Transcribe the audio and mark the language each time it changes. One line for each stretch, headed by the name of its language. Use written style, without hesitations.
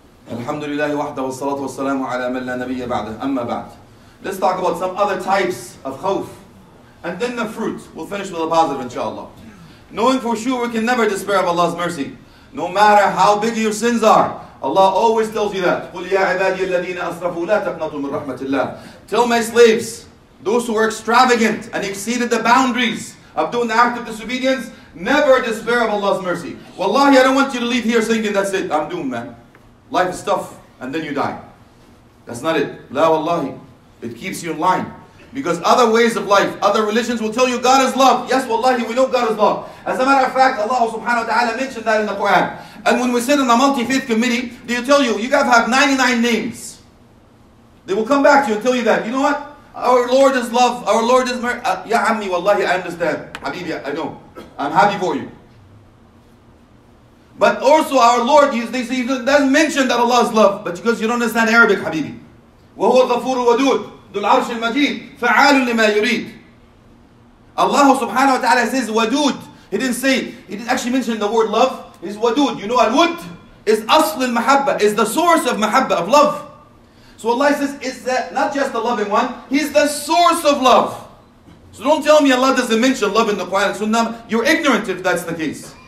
Arabic: الحمد لله وحده والصلاة والسلام على من لا نبي بعده. أما بعد.
English: Let's talk about some other types of khawf. And then the fruit. We'll finish with a positive inshallah. Knowing for sure we can never despair of Allah's mercy. No matter how big your sins are. Allah always tells you that.
Arabic: قُلْ يَا عِبَادِيَ الَّذِينَ أَصْرَفُوا لَا تَقْنَطُوا مِنْ رَحْمَةِ اللَّهِ
English: Tell my slaves, those who are extravagant and exceeded the boundaries of doing the act of disobedience, never despair of Allah's mercy. Wallahi, I don't want you to leave here thinking, that's it, I'm doomed, man. Life is tough, and then you die. That's not it. La wallahi. It keeps you in line. Because other ways of life, other religions will tell you God is love. Yes, wallahi, we know God is love. As a matter of fact, Allah subhanahu wa ta'ala mentioned that in the Quran. And when we sit in a multi-faith committee, they tell you, you guys have 99 names. They will come back to you and tell you that. You know what? Our Lord is love. Our Lord is mercy. Ya Ammi, wallahi, I understand. Habibi, I know. I'm happy for you. But also our Lord, they say, he doesn't mention that Allah is love, but because you don't understand Arabic, Habibi.
Arabic: وَهُوَ الْغَفُورُ وَدُودُ ذُو الْعَرْشِ الْمَجِيدُ فَعَالٌ لِمَا يُرِيدُ
English: Allah subhanahu wa ta'ala says, Wadud. He didn't say, he didn't actually mention the word love. He says, Wadud. You know, Al-Wud is
Arabic: أصل المحبة,
English: is the source of محبة, of love. So Allah says, is that not just the loving one, He's the source of love. So don't tell me Allah doesn't mention love in the Quran and Sunnah. You're ignorant if that's the case.